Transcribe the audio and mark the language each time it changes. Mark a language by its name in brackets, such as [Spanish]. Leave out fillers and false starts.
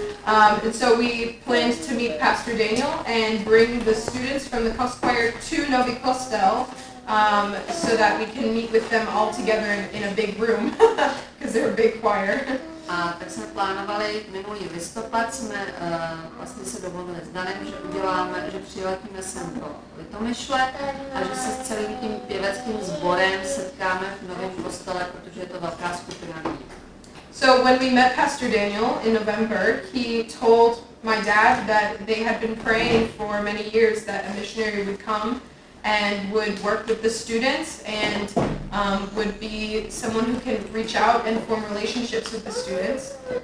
[English] And so we planned to meet Pastor Daniel and bring the students from the Koch choir to Nový Kostel so that we can meet with them all together in a big room, because they're a big choir. [Czech] A tak jsme plánovali minulý listopad, jsme vlastně se domluvili s Danem, že uděláme, že přiletíme sem do Litomyšle a že se s celým tím pěveckým sborem setkáme v Novém kostele, protože je to velká skupina lidí. [English] So when we met Pastor Daniel in November, he told my dad that they had been praying for many years that a missionary would come and would work with the students and would be someone who can reach out and form relationships with the students.